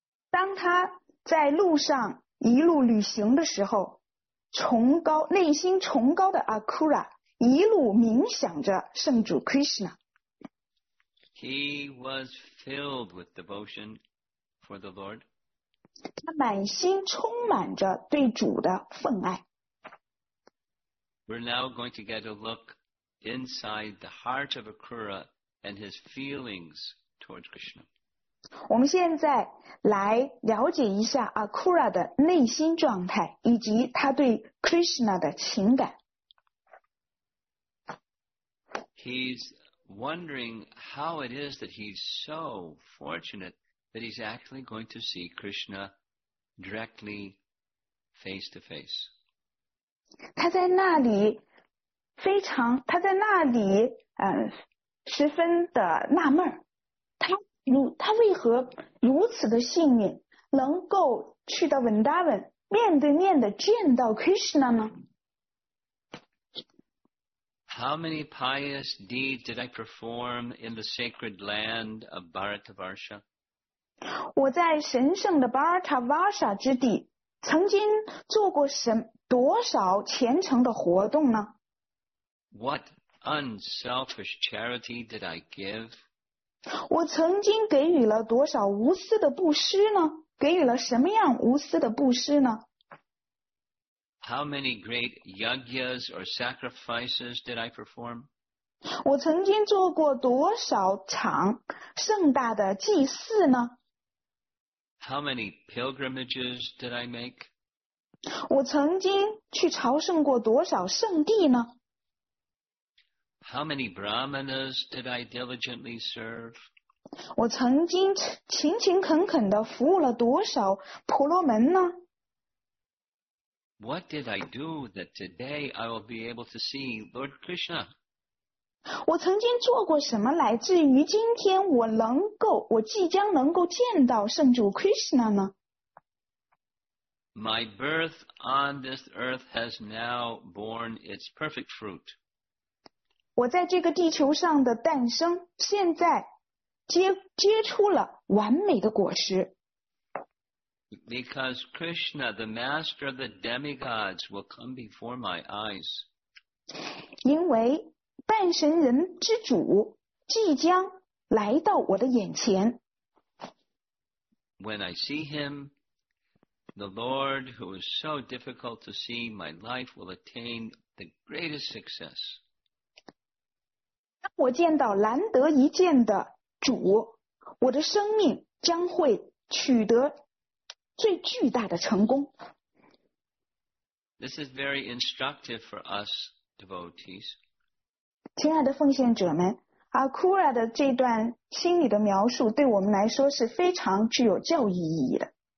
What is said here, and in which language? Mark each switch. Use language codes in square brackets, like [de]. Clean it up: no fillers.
[zh] 当他在路上一路旅行的时候，崇高内心崇高的 Akura 一路冥想着圣主 Krishna。 [en] He was filled with devotion for the Lord. [zh] 他满心充满着对主的奉爱。 [en] We're now going to get a look inside the heart of Akura and his feelings towards Krishna. [zh] 我们现在来了解一下 Akura 的内心状态以及他对 Krishna 的情感。 [en] He's wondering how it is that he's so fortunate. That he's actually going to see Krishna directly face to face. [zh] 他在那里非常，他在那里十分的纳闷，他为何如此的幸运，能够去到 Vrindavan 面对面的见到 Krishna 呢？ [en] How many pious deeds did I perform in the sacred land of Bharatavarsha? [zh] 我在神圣的巴尔塔瓦沙之地曾经做过多少虔诚的活动呢？ [en] What unselfish charity did I give? [zh] 我曾经给予了多少无私的布施呢？给予了什么样无私的布施呢？ [en] How many great yajnas or sacrifices did I perform? [zh] 我曾经做过多少场盛大的祭祀呢？ [en] How many pilgrimages did I make? [zh] 我曾经去朝圣过多少圣地呢？ [en] How many brahmanas did I diligently serve? [zh] 我曾经勤勤恳恳地服务了多少婆罗门呢？ [en] What did I do that today I will be able to see Lord Krishna? [zh] 我曾经做过什么来至于今天我即将能够见到圣主 Krishna 呢？ [en] My birth on this earth has now borne its perfect fruit. [zh] 我在这个地球上的诞生现在 结出了完美的果实。 [en] Because Krishna, the master of the demigods, will come before my eyes. [zh] 因为半神人之主即将来到我的眼前。 [en] When I see him, the Lord who is so difficult to see, my life will attain the greatest success. [zh] 当我见到难得一见的主，我的生命将会取得最巨大的成功。 [en] This is very instructive for us devotees. [zh] 亲爱的奉献者们， Akura 的这段心理的描述对我们来说是非常具有教育意义的。